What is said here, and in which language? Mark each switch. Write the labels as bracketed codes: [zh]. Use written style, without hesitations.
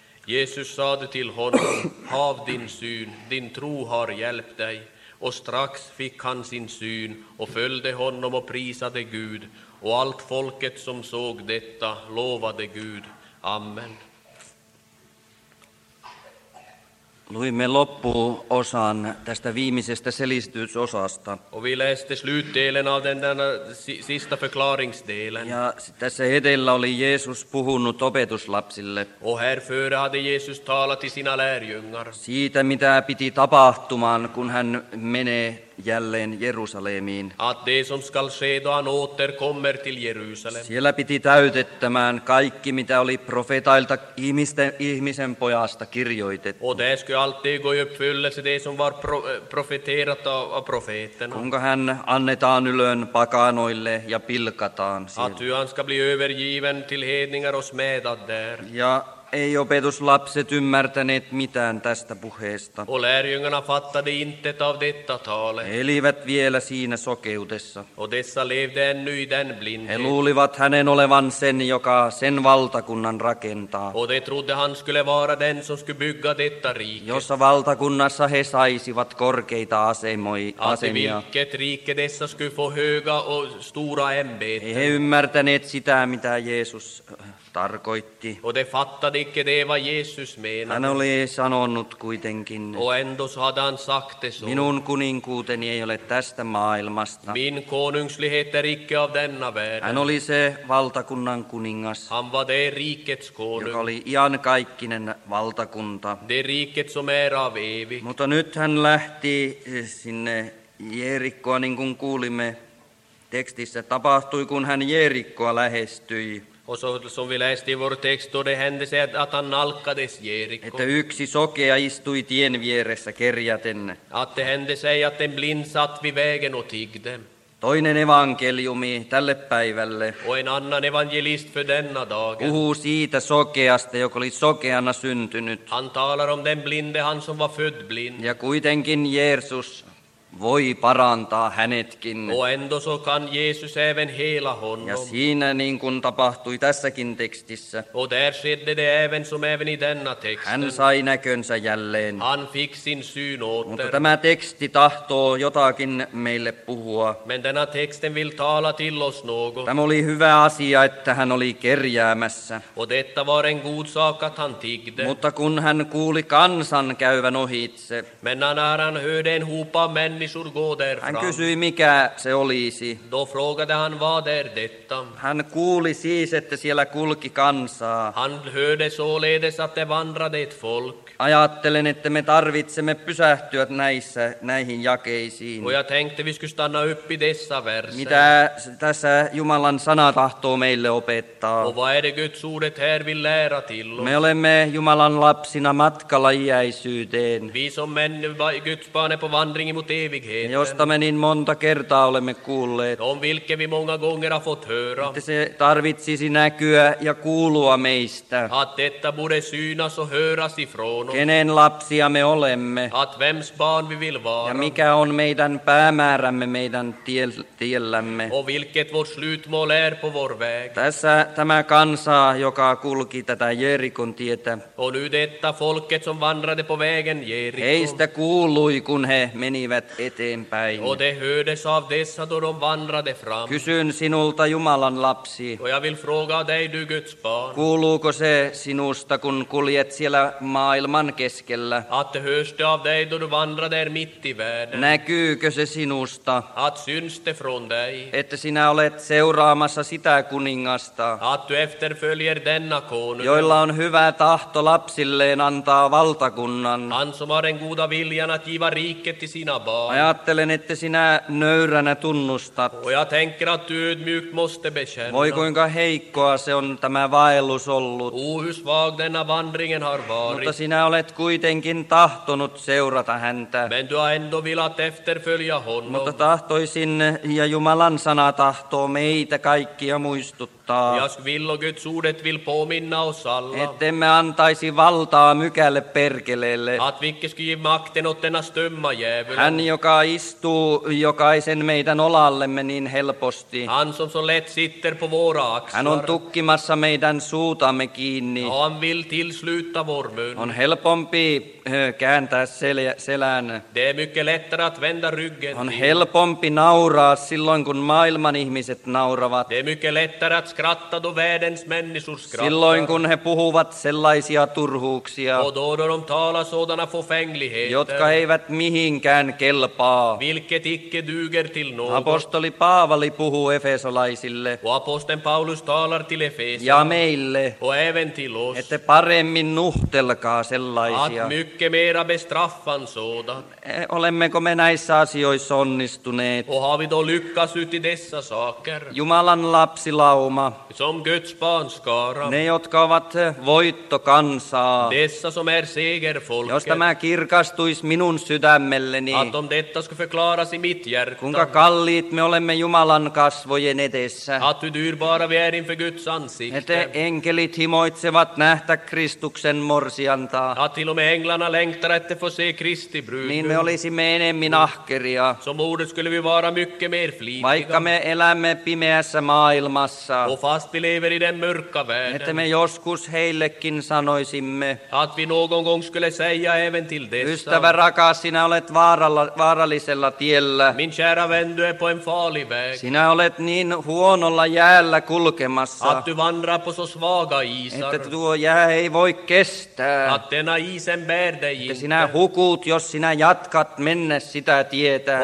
[sv] Jesus sade till honom, hav din syn, din tro har hjälpt dig. Och strax fick han sin syn och följde honom och prisade Gud. Och allt folket som såg detta lovade Gud. Amen. [fi] Luimme loppuosan tästä viimeisestä selitysosasta. [sv] Och vi läste slutdelen av den där sista förklaringsdelen. [fi] Ja tässä edellä oli Jeesus puhunut opetuslapsille. [sv] Och här före hade Jesus talat till sina lärjungar. [fi] Siitä mitä piti tapahtumaan, kun hän menee jälleen Jerusalemiin. [sv] Att det som skall ske då han återkommer till Jerusalem. [fi] Siellä piti täytettämään kaikki, mitä oli profetailta ihmisen pojasta kirjoitettu. [sv] Och det skulle alltid gå i uppfyllelse det som var profeterat av profeten. [fi] Kuinka hän annetaan ylön pakanoille ja pilkataan siellä. [sv] Att han skall bli övergiven till hedningar och smädad där. [fi] Ja ei opetuslapset ymmärtäneet mitään tästä puheesta. [sv] Och lärjungarna fattade inte av detta tale. [fi] He elivät vielä siinä sokeudessa. [sv] Och dessa levde ännu i den blindhet. [fi] He luulivat hänen olevan sen, joka sen valtakunnan rakentaa. [sv] Och de trodde han skulle vara den som skulle bygga detta rike. [fi] Jossa valtakunnassa he saisivat korkeita asemia. [sv] Att vilket rike dessa skulle få höga och stora ämbeten. [fi] He ymmärtäneet sitä, mitä Jeesus tarkoitti. [sv] Och de fattade icke det vad Jesus menade. [fi] Hän oli sanonut kuitenkin. [sv] Och ändå hade han sagt det så. [fi] Minun kuninkuuteni ei ole tästä maailmasta. [sv] Min konungslighet är icke av denna världen. [fi] Hän oli se valtakunnan kuningas. [sv] Han var det rikets konung. [fi] Joka oli iankaikkinen valtakunta. [sv] Det riket som är av evigt. [fi] Mutta nyt hän lähti sinne Jerikkoa, niin kuin kuulimme tekstissä. Tapahtui, kun hän Jerikkoa lähestyi. [sv] Och så som vi läste i vår text då det hände sig att han nalkades Jeriko. [fi] Että yksi sokea istui tien vieressä kerjäten. [sv] Att det hände sig att en blind satt vid vägen och tiggde. [fi] Toinen evankeliumi tälle päivälle. [sv] Och en annan evangelist för denna dagen. [fi] Puhuu siitä sokeasta, joka oli sokeana syntynyt. [sv] Han talar om den blinde, han som var född blind. [fi] Ja kuitenkin Jeesus voi parantaa hänetkin. [sv] Och ändå så kan Jesus även hela honom. [fi] Ja siinä niin kuin tapahtui tässäkin tekstissä. [sv] Och där skedde det även som även i denna texten. [fi] Hän sai näkönsä jälleen. [sv] Han fick sin syn åter. [fi] Mutta tämä teksti tahtoo jotakin meille puhua. [sv] Men denna texten vill tala till oss något. [fi] Tämä oli hyvä asia, että hän oli kerjäämässä. [sv] Och detta var en god sak att han tiggde. [fi] Mutta kun hän kuuli kansan käyvän ohitse. [sv] Men när han hörde en hopa människor gå därifrån. [fi] Hän kysyi, mikä se olisi. [sv] Då frågade han, vad är detta? [fi] Hän kuuli siis, että siellä kulki kansaa. [sv] Han hörde således att det vandrade ett folk. [fi] Ajattelen, että me tarvitsemme pysähtyä näissä, näihin jakeisiin. [sv] Och jag tänkte, vi skulle stanna upp i dessa verser. [fi] Mitä tässä Jumalan sana tahtoo meille opettaa? [sv] Och vad är det Guds ordet här vill lära till oss? [fi] Me olemme Jumalan lapsina matkalla iäisyyteen. [sv] Vi som männi, Guds barn är på vandringen mot evigheten. [fi] Josta me niin monta kertaa olemme kuulleet. [sv] Om vilke vi många gånger har fått höra. [fi] Että se tarvitsisi näkyä ja kuulua meistä. [sv] Att detta borde synas och höras ifrån. [fi] Kenen lapsia me olemme? [sv] At vems barn vi vill vara. [fi] Ja mikä on meidän päämäärämme meidän tiellämme? [sv] Och vilket vårt slutmål är på vår väg. [fi] Tässä tämä kansa, joka kulki tätä Jerikon tietä. [sv] Och nu detta folket som vandrade på vägen Jerikon. [fi] Heistä kuului, kun he menivät eteenpäin. [sv] Och de hördes av dessa då de vandrade fram. [fi] Kysyn sinulta Jumalan lapsi. [sv] Och jag vill fråga dig du Guds barn. [fi] Kuuluuko se sinusta, kun kuljet siellä maailman keskellä? [sv] Att hörs det av dig då du vandrar där mitt i världen? [fi] Näkyykö se sinusta? [sv] Att syns det från dig? [fi] Että sinä olet seuraamassa sitä kuningasta? [sv] Att du efterföljer denna konung? [fi] Joilla on hyvä tahto lapsilleen antaa valtakunnan. [sv] Han som har den goda viljan att giva riket till sina barn. [fi] Ajattelen, että sinä nöyränä tunnustat. [sv] Och jag tänker att du ödmjukt måste bekänna. [fi] Voi kuinka heikkoa se on tämä vaellus ollut. [sv] Hur svag denna vandringen har varit. [fi] Mutta sinä olet kuitenkin tahtonut seurata häntä. [sv] Men du har ändå vilat efterfölja honom. [fi] Mutta tahtoisin, ja Jumalan sana tahtoo meitä kaikkia muistuttaa. [sv] Jag vill och Guds ordet vill påminna oss alla. [fi] Ettemme antaisi valtaa mykälle perkeleelle. [sv] Att vi inte skulle ge makten åt denna stumma djävul. [fi] Hän, jo joka istuu jokaisen meidän olallemme niin helposti. [sv] Han som så lätt sitter på våra axlar. [fi] Hän on tukkimassa meidän suutamme kiinni. [sv] Och han vill tillsluta vår mun. [fi] On helpompi kääntää selän. [sv] Det är mycket lättare att vända ryggen. [fi] On helpompi nauraa silloin, kun maailman ihmiset nauravat. [sv] Det är mycket lättare att skratta då världens människor skrattar. [fi] Silloin, kun he puhuvat sellaisia turhuuksia. [sv] Och då de talar sådana fåfängligheter. [fi] Jotka eivät mihinkään kelpaa. [sv] Vilket icke duger till något. [fi] Apostoli Paavali puhuu efesolaisille. [sv] Och aposteln Paulus talar till Efesia. [fi] Ja meille. [sv] Och även till oss. [fi] Ette paremmin nuhtelkaa sellaisia. [sv] Mycket mera bestraffan sådan. [fi] Olemmeko me näissä asioissa onnistuneet? [sv] Och har vi då lyckats ut i dessa saker? [fi] Jumalan lapsilauma. [sv] Som Guds barn skara. [fi] Ne, jotka ovat voittokansaa. [sv] Dessa som är segerfolket. [fi] Jos tämä kirkastuisi minun sydämelleni. [sv] Att om detta ska förklaras i mitt hjärta. [fi] Kuinka kalliit me olemme Jumalan kasvojen edessä. [sv] Att hur dyrbara vi är inför Guds ansikte. [fi] Ette enkelit himoitsevat nähtä Kristuksen morsiantaa. [sv] Englana längtar att få se Kristi brud. [fi] Niin me olisimme enemmän ahkeria. [sv] Som ordet skulle vi vara mycket mer flitiga. [fi] Vaikka me elämme pimeässä maailmassa. [sv] Och fast vi lever i den mörka världen. [fi] Että me joskus heillekin sanoisimme. [sv] Att vi någon gång skulle säga även till dessa. [fi] Ystävä rakas, sinä olet vaarallisella tiellä. [sv] Min kära vän, du är på en farlig väg. [fi] Sinä olet niin huonolla jäällä kulkemassa. [sv] Att du vandrar på så svaga isar. [fi] Että tuo jää ei voi kestää. [sv] Att denna is sen bärde inte. [fi] Että sinä hukut, jos sinä jatkat mennä sitä tietä.